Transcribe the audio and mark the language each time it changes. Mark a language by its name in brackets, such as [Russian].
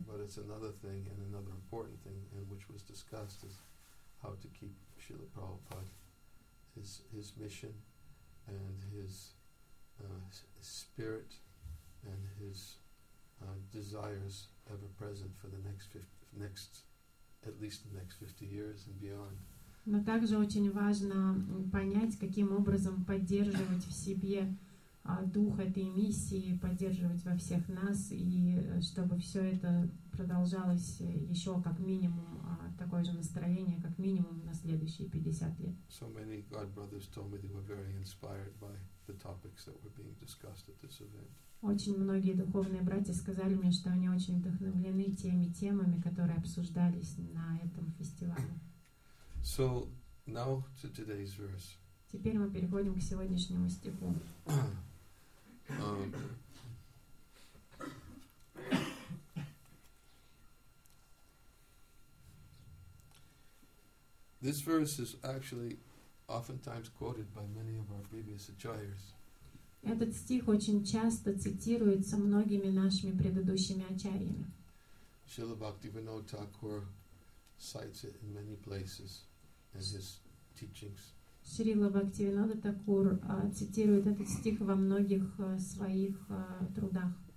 [English] But it's another thing and another important thing and which was discussed is how to keep Srila Prabhupada his mission and his spirit and his desires ever present for the next 50 years and beyond. [Russian] Но также очень важно понять, каким образом поддерживать в себе дух этой миссии поддерживать во всех нас, и чтобы все это продолжалось еще как минимум, такое же настроение, как минимум на следующие 50 лет. [English] So many God brothers told me they were very inspired by the topics that were being discussed at this event. [Russian] Очень многие духовные братья сказали мне, что они очень вдохновлены теми темами, которые обсуждались на этом фестивале. [English] So, now to today's verse. [Russian] Теперь мы переходим к сегодняшнему стиху. [English] This verse is actually oftentimes quoted by many of our previous acharyas. [Russian] Этот стих очень часто цитируется многими нашими предыдущими ачарьями. [English] Srila Bhaktivinoda Thakur cites it in many places in his teachings. [Russian] Srila Bhaktivinoda Thakur цитирует этот стих во многих своих трудах.